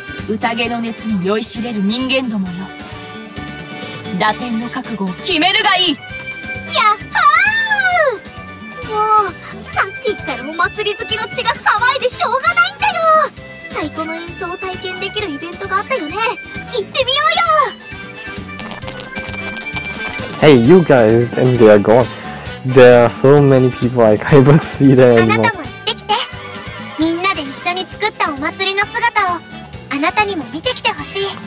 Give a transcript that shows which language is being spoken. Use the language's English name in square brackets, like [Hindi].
[Japanese] 宴の熱に酔いしれる人間どもよ、打点の覚悟を決めるがいい。やっはー、もうさっきからお祭り好きの血が騒いでしょうがないんだよ。太鼓の演奏を体験できるイベントがあったよね、行ってみようよ。 [English] Hey you guys, and they are gone. There are so many people, I can't see them anymore. [Japanese] あなたも行ってきて。みんなで一緒に作ったお祭りの姿をあなたにも見てきてほしい。